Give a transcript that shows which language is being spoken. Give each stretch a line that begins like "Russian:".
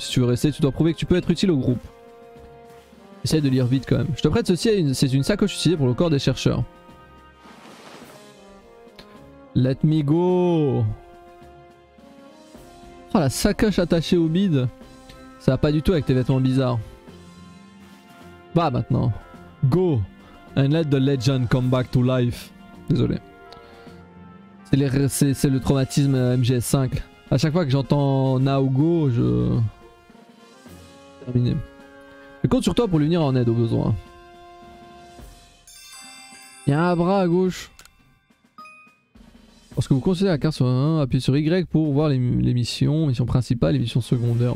French: Si tu veux rester, tu dois prouver que tu peux être utile au groupe. Essaye de lire vite quand même. Je te prête ceci, c'est une sacoche utilisée pour le corps des chercheurs.
English: Let me go.
French: Oh, la sacoche attachée au bide. Ça va pas du tout avec tes vêtements bizarres. Va maintenant.
English: Go and let the legend come back to life.
French: Désolé. C'est le traumatisme MGS5. À chaque fois que j'entends
English: Now Go,
French: je... Terminé. Je compte sur toi pour lui venir en aide au besoin. Il y a un bras à gauche. Lorsque vous considérez la carte sur 1, appuyez sur Y pour voir les missions, mission principale, les missions secondaires.